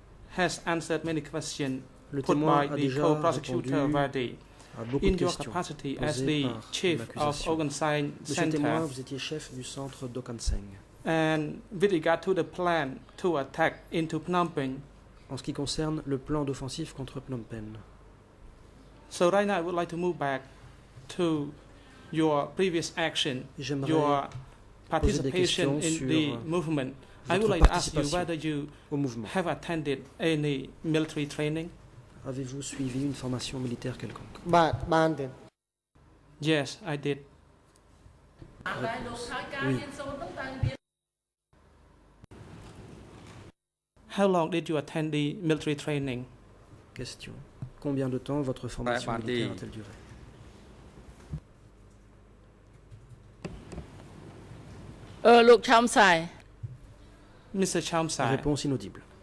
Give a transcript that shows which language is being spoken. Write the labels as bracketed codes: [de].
[en] has answered many questions [fr] le [en] put by the co-prosecutor Vardy. In your capacity as the chief of Ogonseng Center, [fr] témoin, vous étiez chef du centre d'Ogonseng. [en] And with regard to the plan to attack into Phnom Penh, [fr] en ce qui concerne le plan d'offensive contre Phnom Penh. [en] So right now I would like to move back to your previous action, [fr] j'aimerais [en] your participation in the movement. I would like to ask you whether you have attended any military training. [fr] Avez-vous suivi une formation militaire quelconque? Bandit. [en] Yes, I did. [fr] Oui. [en] How long did you attend the military training? [fr] Question. Combien de temps votre formation militaire a-t-elle duré? [en] Look, Chamsai. Mr. Chamsai. [fr] Réponse inaudible.